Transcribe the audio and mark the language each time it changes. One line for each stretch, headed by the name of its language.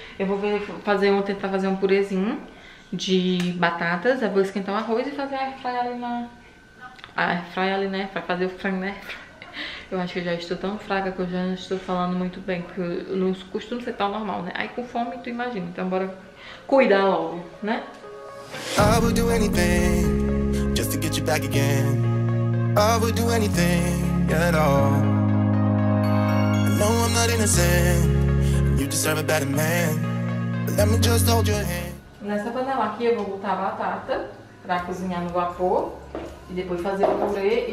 Portuguese: Eu vou ver, tentar fazer um purezinho de batatas. Eu vou esquentar o arroz e fazer a air fry ali na... A air fry ali, né? Pra fazer o frango na air fry. Eu acho que eu já estou tão fraca que eu já não estou falando muito bem, porque eu não costumo ser tão normal, né? Aí com fome tu imagina, então bora cuidar logo, né?
English: I would do anything just to get you back again. I would do anything at all. I know I'm not innocent. You deserve a better man. But let me just hold your hand.
Portuguese: Nessa panela aqui eu vou botar a batata pra cozinhar no vapor e depois fazer o purê.